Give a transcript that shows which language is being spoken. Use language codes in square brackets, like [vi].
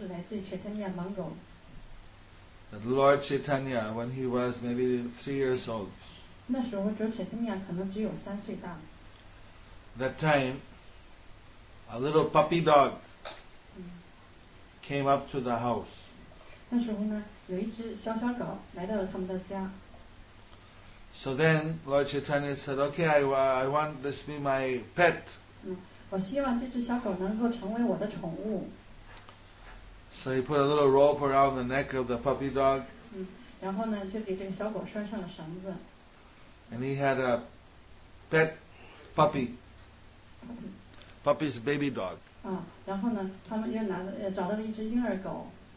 [en] The Lord Chaitanya, when he was maybe 3 years old, that time,A little puppy dog came up to the house. [zh] 那时候呢，有一只小小狗来到了他们的家。 [en] So then Lord Chaitanya said, "Okay, I want this be my pet." [zh] 我希望这只小狗能够成为我的宠物。 [en] So he put a little rope around the neck of the puppy dog. [zh] 然后呢，就给这个小狗拴上了绳子。 [en] And he had a pet puppy. Puppy's baby dog. [zh] 然后呢，他们又拿了，找到了一只婴儿狗。